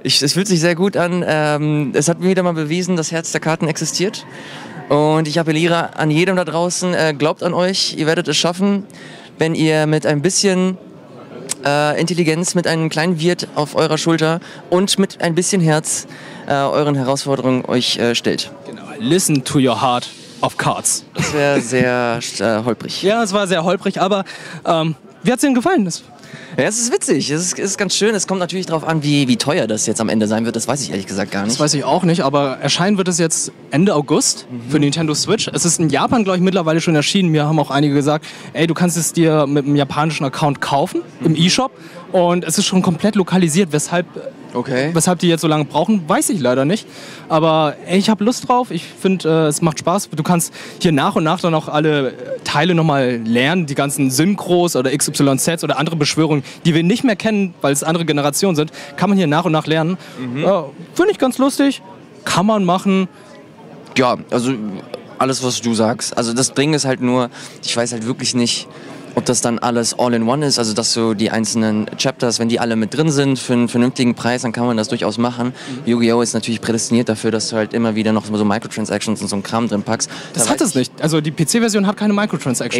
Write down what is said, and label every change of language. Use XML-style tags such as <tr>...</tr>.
<de>Es fühlt sich sehr gut an. Es hat mir wieder mal bewiesen, dass Herz der Karten existiert. Und ich appelliere an jedem da draußen, glaubt an euch, ihr werdet es schaffen, wenn ihr mit ein bisschen Intelligenz, mit einem kleinen Wirt auf eurer Schulter und mit ein bisschen Herz euren Herausforderungen euch stellt.</de> <en>Genau, listen to your heart of cards.</en> <de>Das wäre sehr holprig. Ja, es war sehr holprig, aber wie hat es Ihnen gefallen? Ja, es ist witzig, es ist ganz schön. Es kommt natürlich darauf an, wie teuer das jetzt am Ende sein wird. Das weiß ich ehrlich gesagt gar nicht. Das weiß ich auch nicht, aber erscheinen wird es jetzt Ende August für Nintendo Switch. Es ist in Japan, glaube ich, mittlerweile schon erschienen. Mir haben auch einige gesagt, ey, du kannst es dir mit einem japanischen Account kaufen im eShop. Und es ist schon komplett lokalisiert, weshalb die jetzt so lange brauchen, weiß ich leider nicht. Aber ey, ich habe Lust drauf, ich finde, es macht Spaß. Du kannst hier nach und nach dann auch alle Teile nochmal lernen, die ganzen Synchros oder XYZs oder andere Beschwörungen, die wir nicht mehr kennen, weil es andere Generationen sind, kann man hier nach und nach lernen. Mhm. Finde ich ganz lustig, kann man machen. Ja, also alles, was du sagst. Also das Ding ist halt nur, ich weiß halt wirklich nicht, ob das dann alles All-in-One ist, also dass so die einzelnen Chapters, wenn die alle mit drin sind für einen vernünftigen Preis, dann kann man das durchaus machen. Mhm. Yu-Gi-Oh! Ist natürlich prädestiniert dafür, dass du halt immer wieder noch so Microtransactions und so ein Kram drin packst. Das hat es nicht. Also die PC-Version hat keine Microtransactions.</de>